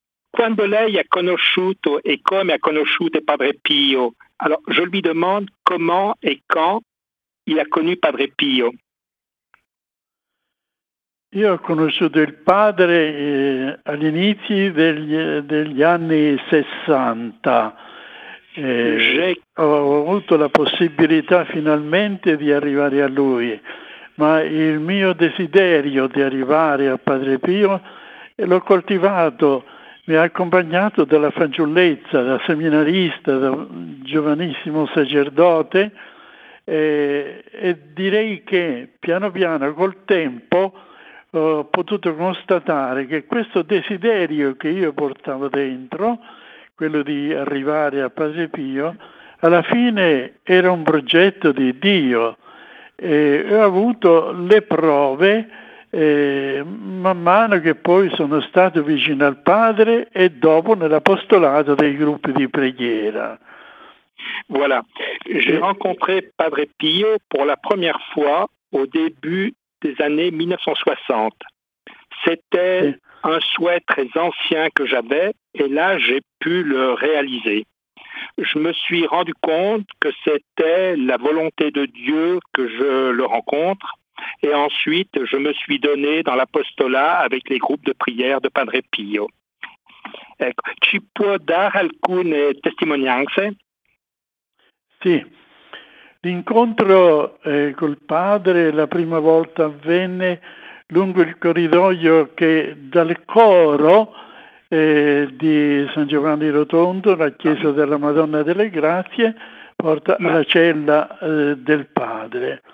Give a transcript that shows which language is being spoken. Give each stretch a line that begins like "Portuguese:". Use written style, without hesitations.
Italian: Quando lei ha conosciuto e come ha conosciuto Padre Pio?
French: Alors, je lui demande comment et quand il a connu Padre Pio.
Italian: Io ho conosciuto il padre all'inizio degli anni 60, Ho avuto la possibilità finalmente di arrivare a lui, ma il mio desiderio di arrivare a Padre Pio l'ho coltivato, mi ha accompagnato dalla fanciullezza, da seminarista, da giovanissimo sacerdote, e direi che piano piano col tempo ho potuto constatare che questo desiderio che io portavo dentro, quello di arrivare a Padre Pio, alla fine era un progetto di Dio. E ho avuto le prove man mano che poi sono stato vicino al Padre e dopo nell'apostolato dei gruppi di preghiera.
French: Voilà, j'ai rencontré Padre Pio pour la première fois au début des années 1960. C'était un souhait très ancien que j'avais et là j'ai pu le réaliser. Je me suis rendu compte que c'était la volonté de Dieu que je le rencontre et ensuite je me suis donné dans l'apostolat avec les groupes de prière de Padre Pio.
Italian: Ecco, ci può dare alcune testimonianze? Sì, l'incontro col padre la prima volta avvenne lungo il corridoio che dal coro di San Giovanni Rotondo, la chiesa della Madonna delle Grazie, porta alla cella del padre.